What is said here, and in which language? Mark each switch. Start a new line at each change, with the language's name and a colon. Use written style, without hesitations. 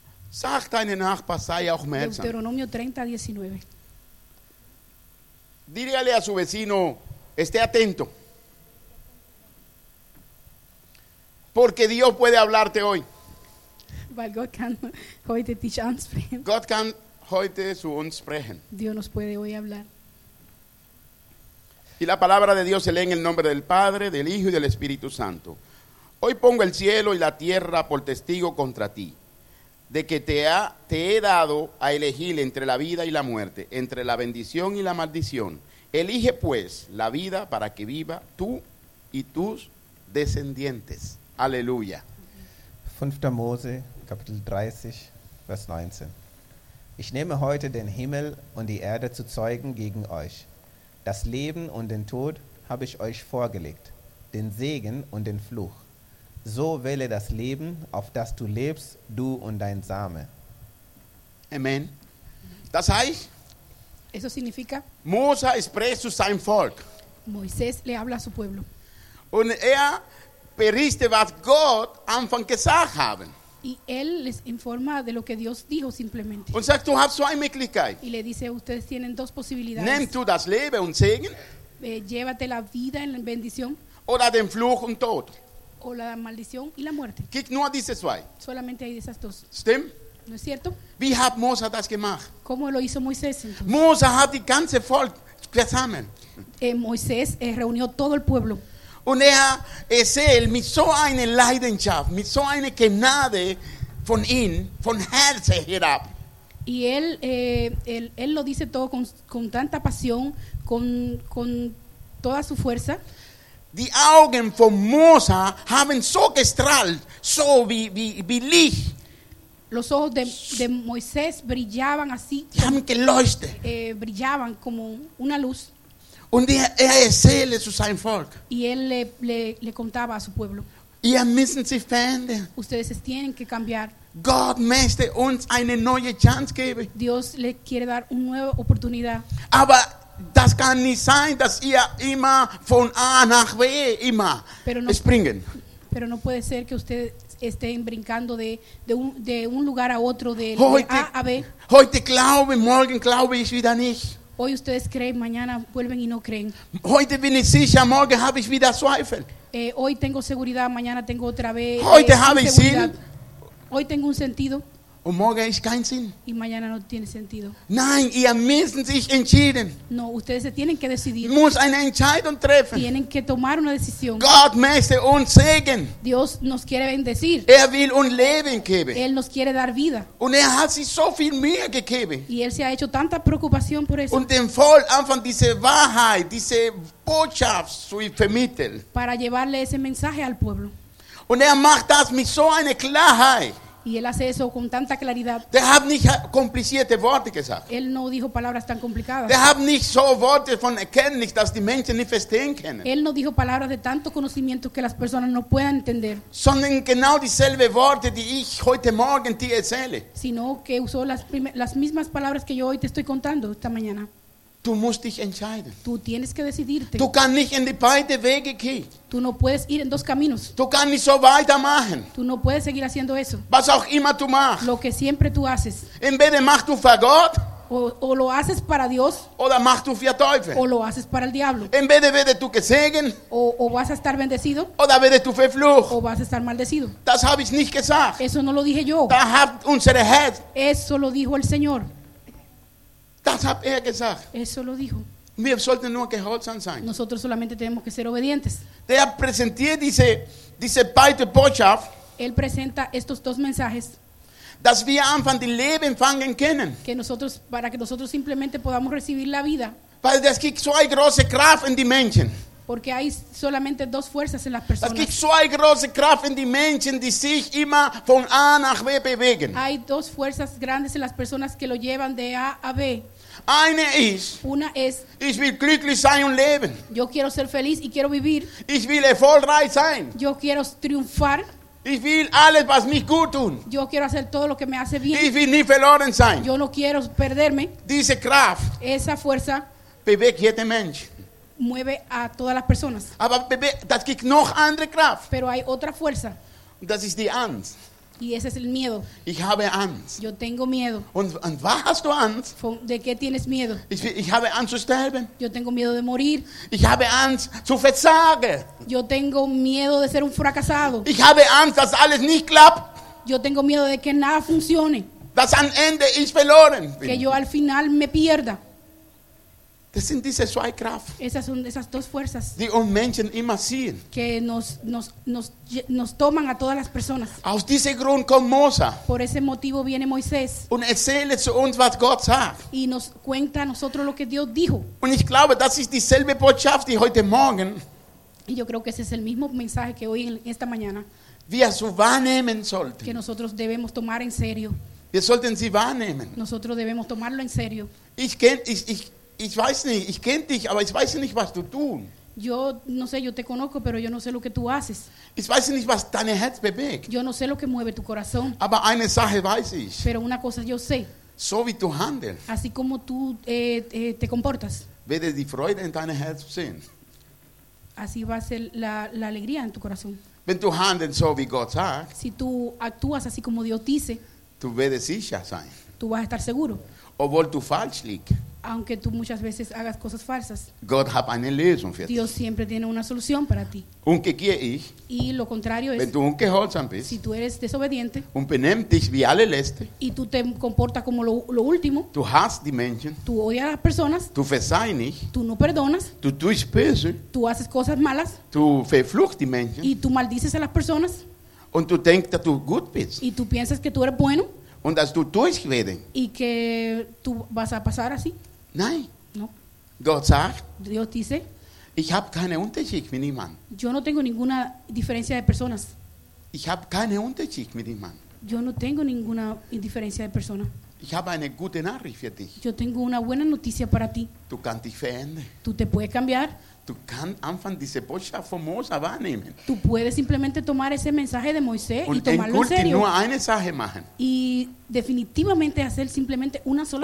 German: Sag deine Nachbar, sei auch mehr.
Spanish: Deuteronomio 30, 19. Diríale a su vecino, esté atento. Porque Dios puede hablarte hoy.
German: Weil Gott kann heute dich ansprechen. Gott kann heute zu uns sprechen.
Spanish: Dios nos puede hoy hablar. Y la palabra de Dios se lee en el nombre del Padre, del Hijo y del Espíritu Santo. Hoy pongo el cielo y la tierra por testigo contra ti, de que te he dado a elegir entre la vida y la muerte, entre la bendición y la maldición. Elige pues la vida para que viva tú y tus descendientes. Aleluya.
German: 5. Mose, Kapitel 30, Vers 19. Ich nehme heute den Himmel und die Erde zu Zeugen gegen euch. Das Leben und den Tod habe ich euch vorgelegt, den Segen und den Fluch. So wähle das Leben, auf das du lebst, du und dein Same. Amen. Das heißt,
Spanish: eso significa,
German: Mose spricht zu seinem Volk.
Spanish: Moisés le habla a su pueblo.
German: Und er berichtet, was Gott Anfang gesagt habe.
Spanish: Y él les informa de lo que Dios dijo simplemente.
German: Und sagt, du hast zwei Möglichkeiten.
Spanish: Y le dice, ustedes tienen dos posibilidades.
German: Nimm du das Leben und Segen.
Spanish: Llévate la vida en bendición.
German: Oder den Fluch und Tod.
Spanish: O la maldición y la muerte.
German: Gibt nur diese zwei.
Spanish: Solamente hay esas dos.
German: Stimmt?
Spanish: ¿No es cierto?
German: Wie hat Mose das gemacht?
Spanish: ¿Cómo lo hizo Moisés entonces?
German: Mose hat die ganze Volk zusammen.
Spanish: Moisés reunió todo el pueblo.
German: Und es él, mit so einer Leidenschaft, mit so einer Gnade von ihm, von Herzen herab.
Spanish: Y él lo dice todo con tanta pasión, con toda su fuerza.
German: Die Augen von Mose haben so gestrahlt, so wie Licht.
Spanish: Los ojos de Moisés brillaban así.
German: Haben geleuchtet.
Spanish: Brillaban como una luz.
German: Und er erzählte zu seinem Volk.
Spanish: Y él le contaba a su pueblo.
German: Ihr müssen sich verändern.
Spanish: Ustedes tienen que cambiar.
German: Gott möchte uns eine neue Chance geben.
Spanish: Dios le quiere dar una nueva oportunidad.
German: Aber das kann nicht sein, dass ihr immer von A nach B immer springen.
Spanish: Pero no puede ser que usted estén brincando de un lugar a otro, de A a B.
German: Heute glaube, morgen glaube ich wieder nicht.
Spanish: Hoy ustedes creen, mañana vuelven y no creen.
German: Heute bin ich sicher, morgen habe ich wieder Zweifel.
Spanish: Hoy tengo seguridad, mañana tengo otra vez.
German: Heute habe ich Sinn.
Spanish: Hoy tengo un sentido.
German: Und morgen ist kein Sinn.
Spanish: Y mañana no tiene sentido.
German: Nein, ihr müssen sich entscheiden.
Spanish: No, ustedes se tienen que decidir.
German: Muss eine Entscheidung treffen.
Spanish: Tienen que tomar una decisión.
German: Gott möchte uns segnen.
Spanish: Dios nos quiere bendecir.
German: Will un Leben geben.
Spanish: Él nos quiere dar vida.
German: Und hat sich so viel Mühe gegeben.
Spanish: Y él se ha hecho tanta preocupación por eso.
German: Und den Volk anfangen diese Wahrheit, diese Botschaft zu vermitteln.
Spanish: Para llevarle ese mensaje al pueblo.
German: Und macht das mit so einer Klarheit.
Spanish: Y él hace eso con tanta claridad.
German: Der hat nicht komplizierte Worte gesagt.
Spanish: Él no dijo palabras tan complicadas.
German: Der hat nicht so Worte von Erkenntnis, dass die Menschen nicht verstehen können.
Spanish: Él no dijo palabras de tanto conocimiento que las personas no puedan entender.
German: Sondern genau dieselbe Worte, die ich heute Morgen dir erzähle.
Spanish: Sino que usó las mismas palabras que yo hoy te estoy contando esta mañana.
German: Du musst dich entscheiden.
Spanish: Tú tienes que decidirte.
German: Du kannst nicht in die beiden Wege gehen.
Spanish: Tú no puedes ir en dos caminos.
German: Du kannst nicht so weitermachen.
Spanish: Tú no puedes seguir haciendo eso.
German: Was auch immer du machst.
Spanish: Lo que siempre tú haces.
German: Entweder machst du für Gott.
Spanish: O lo haces para Dios.
German: Oder machst du für Teufel.
Spanish: O lo haces para el diablo.
German: Entweder werde du gesegnet.
Spanish: O vas a estar bendecido.
German: Oder werde du verflucht.
Spanish: O vas a estar maldecido.
German: Das habe ich nicht gesagt.
Spanish: Eso no lo dije yo.
German: Das hat unser Herr.
Spanish: Eso lo dijo el Señor.
German: Das hat er gesagt.
Spanish: Eso lo dijo.
German: Wir sollten nur gehorsam sein.
Spanish: Nosotros solamente tenemos que ser obedientes.
German: Der präsentiert diese beide Botschaft.
Spanish: Él presenta estos dos mensajes.
German: Dass wir anfangen, die Leben fangen können.
Spanish: Que nosotros, para que nosotros simplemente podamos recibir la vida.
German: Weil es gibt so eine große Kraft in die Menschen.
Spanish: Porque hay solamente dos fuerzas en las personas.
German: Es gibt so eine große Kraft in die Menschen, die sich immer von A nach B bewegen.
Spanish: Hay dos fuerzas grandes en las personas que lo llevan de A a B.
German: Eine ist,
Spanish: una es,
German: ich will glücklich sein und leben.
Spanish: Yo quiero ser feliz y quiero vivir.
German: Ich will erfolgreich sein.
Spanish: Yo quiero triunfar.
German: Ich will alles, was mich gut tut.
Spanish: Yo quiero hacer todo lo que me hace bien.
German: Ich will nie verloren sein.
Spanish: Yo no quiero perderme.
German: Diese Kraft,
Spanish: esa fuerza,
German: bewegt jeden Menschen.
Spanish: Mueve a todas las personas.
German: Aber bebe, das gibt noch andere Kraft.
Spanish: Pero hay otra fuerza.
German: Das ist die Angst.
Spanish: Y ese es el miedo.
German: Ich habe Angst.
Spanish: Yo tengo miedo.
German: Und was hast du Angst?
Spanish: ¿De qué tienes miedo?
German: Ich habe Angst zu sterben.
Spanish: Yo tengo miedo de morir.
German: Ich habe Angst zu versagen.
Spanish: Yo tengo miedo de ser un fracasado.
German: Ich habe Angst, dass alles nicht klappt.
Spanish: Yo tengo miedo de que nada funcione.
German: Dass am Ende ich verloren bin.
Spanish: Que yo al final me pierda.
German: Das sind diese zwei Kraft.
Spanish: Esas son esas dos fuerzas.
German: Die uns Menschen immer sehen.
Spanish: Que nos toman a todas las personas.
German: Aus diesem Grund kommt Mose.
Spanish: Por ese motivo viene Moisés.
German: Und erzählt zu uns, was Gott sagt.
Spanish: Y nos cuenta a nosotros lo que Dios dijo.
German: Und ich glaube, das ist dieselbe Botschaft, die heute Morgen.
Spanish: Y yo creo que ese es el mismo mensaje que hoy esta mañana.
German: Wir so wahrnehmen sollten.
Spanish: Que nosotros debemos tomar en serio.
German: Wir sollten sie wahrnehmen.
Spanish: Nosotros debemos tomarlo en serio.
German: Ich weiß nicht, ich kenne dich, aber ich weiß nicht, was du tun.
Spanish: Yo no sé, yo te conozco, pero yo no sé lo que tú haces.
German: Ich weiß nicht, was dein Herz bewegt.
Spanish: Yo no sé lo que mueve tu corazón.
German: Aber eine Sache weiß ich.
Spanish: Pero una cosa yo sé.
German: So wie du handelst.
Spanish: Así como tú te comportas.
German: Werde die Freude in deinem Herz sehen.
Spanish: Así va a ser la alegría en tu corazón.
German: Wenn du handelst, so wie Gott sagt.
Spanish: Si tú actúas así como Dios dice.
German: Du werde sicher sein.
Spanish: Tú vas a estar seguro.
German: Obwohl du falsch liegst.
Spanish: Aunque tú muchas veces hagas cosas falsas.
German: God hat eine Lösung für
Spanish: Dios
German: dich.
Spanish: Siempre tiene una solución para ti.
German: Und
Spanish: que quiere
German: ich,
Spanish: y lo contrario
German: wenn
Spanish: es,
German: du ungehorsam bist,
Spanish: si tú eres desobediente
German: und benimmt dich wie alle Läste,
Spanish: y tú te comportas como lo último,
German: du hasst die Menschen,
Spanish: tú odias a las personas,
German: du verzeihst nicht,
Spanish: tú no perdonas,
German: du tust böse,
Spanish: tú haces cosas malas,
German: du verfluchst die Menschen,
Spanish: y tú maldices a las personas,
German: und du denkst, dass du gut bist,
Spanish: y tú piensas que tú eres bueno,
German: und dass du durchreden,
Spanish: y que tú vas a pasar así.
German: Nein.
Spanish: No.
German: Gott sagt,
Spanish: Dios dice,
German: ich habe keinen Unterschied mit niemandem.
Spanish: Yo no tengo ninguna diferencia de personas.
German: Ich habe keinen Unterschied mit niemandem.
Spanish: Yo no tengo ninguna indiferencia de persona.
German: Ich habe eine gute Nachricht für dich.
Spanish: Yo tengo una buena noticia para ti.
German: Du kannst dich verändern.
Spanish: Tú te puedes cambiar.
German: Du kannst anfangen, diese Botschaft von Mose wahrnehmen.
Spanish: Tú puedes simplemente tomar ese mensaje de Moisés
German: und
Spanish: y tomarlo en serio.
German: Nur eine Sache machen.
Spanish: Y definitivamente hacer simplemente una sola